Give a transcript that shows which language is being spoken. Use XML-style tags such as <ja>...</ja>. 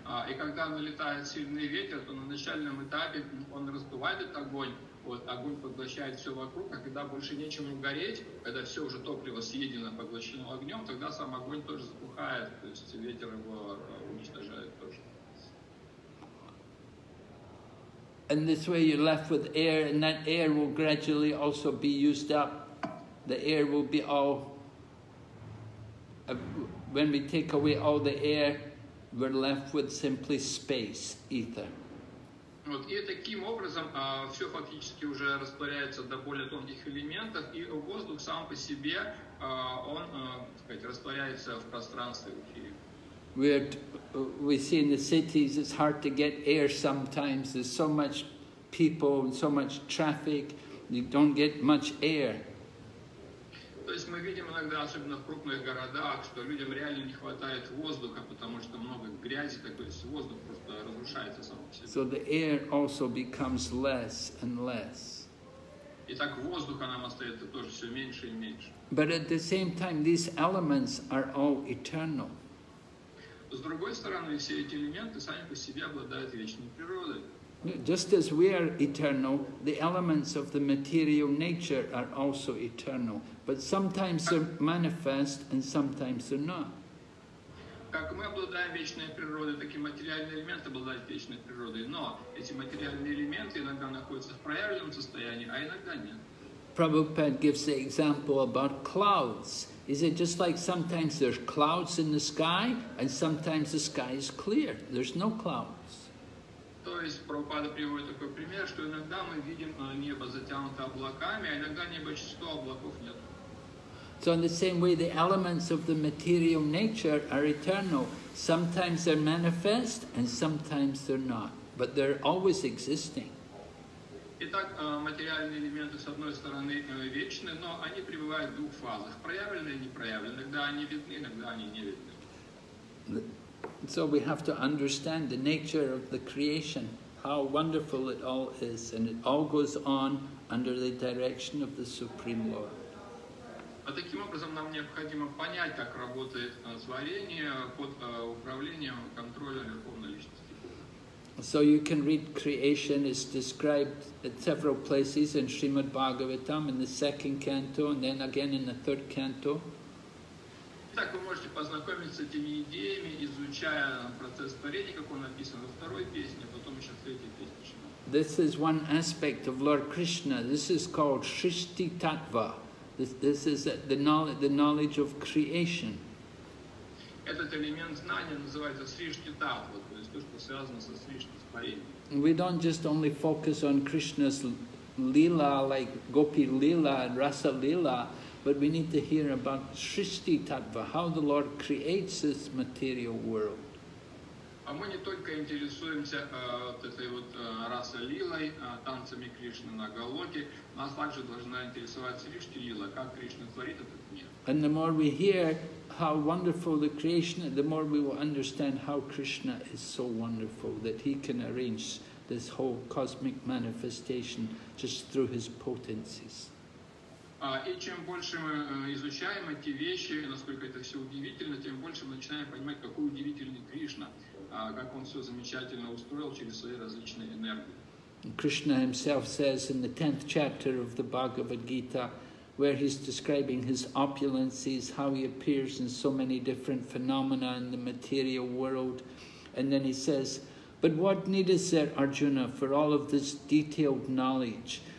<ru>И когда налетает сильный ветер, то на начальном этапе он раздувает огонь, вот огонь поглощает все вокруг, а когда больше нечем гореть, когда все уже топливо съедено, поглощено огнем, тогда сам огонь тоже затухает, то есть ветер его уничтожает тоже.</ru> <en>And this way you're left with air, and that air will gradually also be used up. The air will be all when we take away all the air, we're left with simply space, ether.</en> <ru>Вот, и таким образом все фактически уже растворяется до более тонких элементов, и воздух сам по себе, он, так сказать, растворяется в пространстве.</ru> <en>We see in the cities it's hard to get air sometimes, there's so much people and so much traffic, you don't get much air.</en> <ru>То есть мы видим иногда, особенно в крупных городах, что людям реально не хватает воздуха, потому что много грязи, то есть воздух просто разрушается сам по себе.</ru> <en>So the air also becomes less and less.</en> <ru>И так воздуха нам остается тоже все меньше и меньше.</ru> <en>But at the same time, these elements are all eternal.</en> <ru>С другой стороны, все эти элементы сами по себе обладают вечной природой.</ru> <en>Just as we are eternal, the elements of the material nature are also eternal. But sometimes they're manifest and sometimes they're not.</en> <ru>Как мы обладаем вечной природой, так и материальные элементы обладают вечной природой. Но эти материальные элементы иногда находятся в проявленном состоянии, а иногда нет.</ru> <en>Prabhupada gives the example about clouds. Is it just like sometimes there's clouds in the sky and sometimes the sky is clear? There's no clouds.</en> <ru>То есть Прабхупада приводит такой пример, что иногда мы видим небо затянуто облаками, а иногда небо чисто, облаков нет.</ru> <en>So in the same way, the elements of the material nature are eternal. Sometimes they're manifest and sometimes they're not, but they're always existing.</en> <ru>Итак, материальные элементы с одной стороны вечны, но они пребывают в двух фазах: проявленные и непроявленные. Иногда они видны, иногда они не видны.</ru> <en>So we have to understand the nature of the creation, how wonderful it all is, and it all goes on under the direction of the Supreme Lord.</en> <ru>А таким образом нам необходимо понять, как работает творение под управлением, контролем Верховной Личности.</ru> <en>So you can read creation is described at several places in Srimad Bhagavatam, in the second canto, and then again in the third canto.</en> <ru>Так вы можете познакомиться с этими идеями, изучая процесс творения, как он описан во второй песне, а потом еще в третьей песне.</ru> <en>This is one aspect of Lord Krishna. This is called Srishti Tattva. This is the knowledge of creation.</en> <ru>Этот элемент знания называется Srishti Tattva, то есть то, что связано со Srishti, с творением.</ru> <en>We don't just only focus on Krishna's lila, like Gopi lila and Rasa lila. But we need to hear about Srishti Tattva, how the Lord creates this material world.</en> <ru>А мы не только интересуемся этой вот раса-лилой, танцами Кришны на Галоке, нас также должна интересовать Срishti-лила, как Кришна творит этот мир.</ru> <en>And the more we hear how wonderful the creation is, the more we will understand how Krishna is so wonderful, that he can arrange this whole cosmic manifestation just through his potencies.</en> <ru>И чем больше мы изучаем эти вещи, насколько это все удивительно, тем больше мы начинаем понимать, какой удивительный Кришна, как он все замечательно устроил через свои различные энергии.</ru> <en>Krishna himself says in the 10th chapter of the Bhagavad Gita, where he's describing his opulences, how he appears in so many different phenomena in the material world, and then he says, but what need is there, Arjuna, for all of this detailed knowledge?</en>